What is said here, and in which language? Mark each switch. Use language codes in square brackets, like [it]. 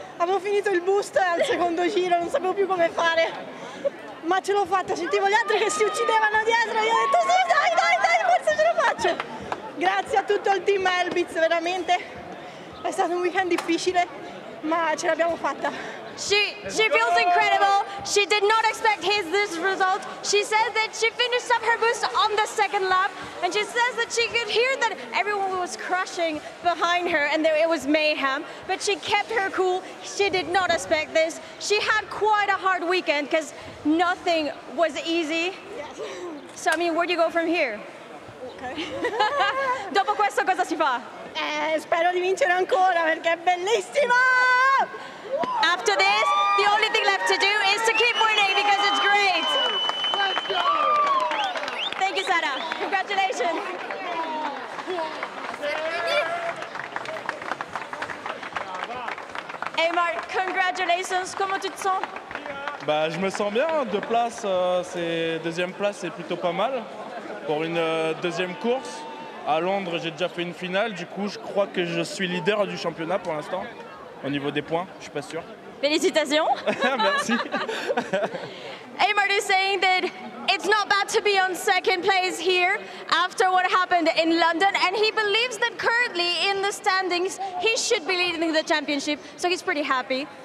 [it] Avevo finito il boost al secondo giro, non sapevo più come fare. Ma ce l'ho fatta, sentivo gli altri che si uccidevano dietro. Io ho detto sì, dai, forse ce la faccio. Grazie a tutto il team Elbitz, veramente. È stato un weekend difficile, ma ce l'abbiamo fatta. [en] She feels incredible. She did not expect this result. She said that she finished up her boost on the second lap, and she says that she could hear that everyone was crushing behind her and that it was mayhem, but she kept her cool. She did not expect this. She had quite a hard weekend because nothing was easy. Yes. So, I mean, where do you go from here? Okay. [it] Dopo questo cosa si fa? Spero di vincere ancora perché è bellissimo! [en] After this, the only thing left to do is to keep winning because it's great. Let's go! Thank you, Sara. Congratulations. Hey, Mark, congratulations. [fr] Comment tu te sens? Bah, je me sens bien. Deux places, c'est deuxième place, c'est plutôt pas mal pour une deuxième course. À Londres, j'ai déjà fait une finale. Du coup, je crois que je suis leader du championnat pour l'instant. Au niveau des points, je suis pas sûr. Félicitations. Merci. [en] Aymar is saying that it's not bad to be on second place here after what happened in London, and he believes that currently in the standings he should be leading the championship, so he's pretty happy.